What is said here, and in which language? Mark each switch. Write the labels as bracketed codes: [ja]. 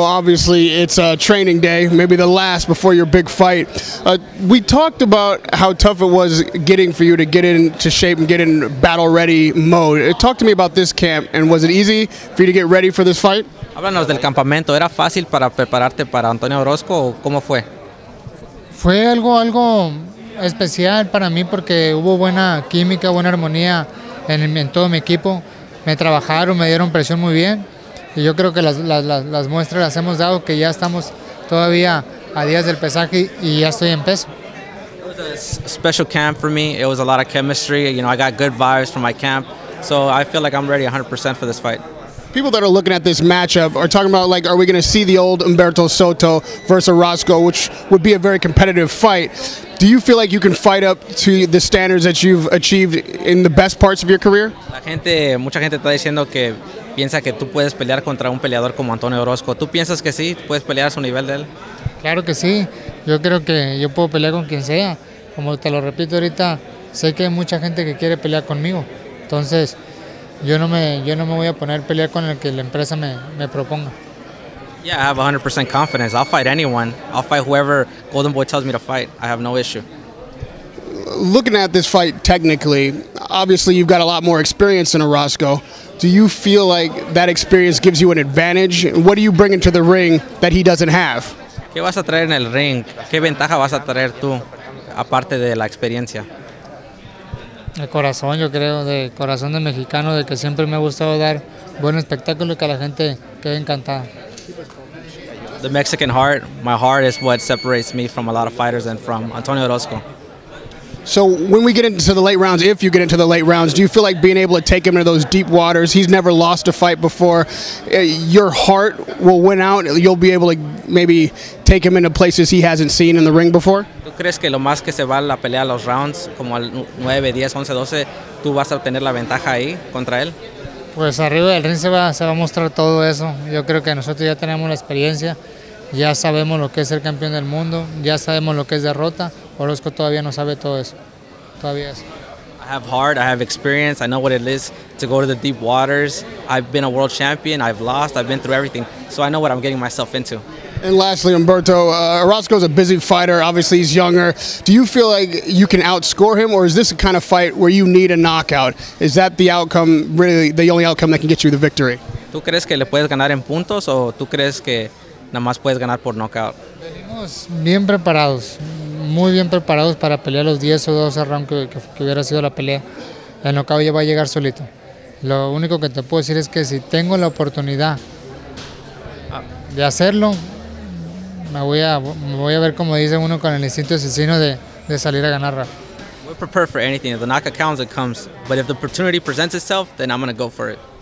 [en] Obviously, it's training day, maybe the last before your big fight. We talked about how tough it was getting for you to get into shape and get in battle-ready mode. Talk to me about this camp, and was it easy for you to get ready for this fight? [es] Háblanos del campamento. ¿Era fácil para prepararte para Antonio Orozco o cómo fue? Fue algo especial para mí porque hubo buena química, buena armonía en todo mi equipo. Me trabajaron, me dieron presión muy bien. Y yo creo que las muestras las hemos dado, que ya estamos todavía a días del pesaje y ya estoy en peso. [en] It was a special camp for me. It was a lot of chemistry. You know, I got good vibes from my camp. So I feel like I'm ready 100% for this fight. People that are looking at this matchup are talking about, like, are we going to see the old Humberto Soto versus Orozco, which would be a very competitive fight. Do you feel like you can fight up to the standards that you've achieved in the best parts of your career? [es] Mucha gente está diciendo que piensa que tú puedes pelear contra un peleador como Antonio Orozco. ¿Tú piensas que sí? ¿Puedes pelear a su nivel de él? Claro que sí. Yo creo que yo puedo pelear con quien sea. Como te lo repito ahorita, sé que hay mucha gente que quiere pelear conmigo. Entonces, yo no me voy a poner a pelear con el que la empresa me proponga. [en] Yeah, I have 100% confidence. I'll fight anyone. I'll fight whoever Golden Boy tells me to fight. I have no issue. Looking at this fight technically, obviously you've got a lot more experience than Orozco. Do you feel like that experience gives you an advantage? What do you bring into the ring that he doesn't have? [es] ¿Qué vas a traer en el ring? ¿Qué ventaja vas a traer tú, aparte de la experiencia? El corazón, yo creo, de corazón de mexicano, de que siempre me ha gustado dar buen espectáculo y que la gente quede encantada. [en] The Mexican heart, my heart is what separates me from a lot of fighters and from Antonio Orozco. So when we get into the late rounds, if you get into the late rounds, do you feel like being able to take him into those deep waters? He's never lost a fight before. Your heart will win out. You'll be able to maybe take him into places he hasn't seen in the ring before? [es] ¿Tú crees que lo más que se va la pelea a los rounds, como al 9, 10, 11, 12, tú vas a obtener la ventaja ahí contra él? Pues arriba del ring se va a mostrar todo eso. Yo creo que nosotros ya tenemos la experiencia. Ya sabemos lo que es ser campeón del mundo. Ya sabemos lo que es derrota. Orozco todavía no sabe todo eso. Todavía es. [en] I have heart. I have experience. I know what it is to go to the deep waters. I've been a world champion. I've lost. I've been through everything. So I know what I'm getting myself into. And lastly, Humberto, Orozco is a busy fighter. Obviously, he's younger. Do you feel like you can outscore him, or is this a kind of fight where you need a knockout? Is that the outcome, really, the only outcome that can get you the victory? [es] ¿Tú crees que le puedes ganar en puntos o tú crees que nada más puedes ganar por knockout? Venimos bien preparados, muy bien preparados para pelear los 10 o 12 rounds que hubiera sido la pelea. El knockout ya va a llegar solito. Lo único que te puedo decir es que si tengo la oportunidad de hacerlo, me voy a ver, como dice uno, con el instinto asesino de salir a ganar. [en] We're prepared for anything. If the knockout counts, it comes. But if the opportunity presents itself, then I'm going to go for it.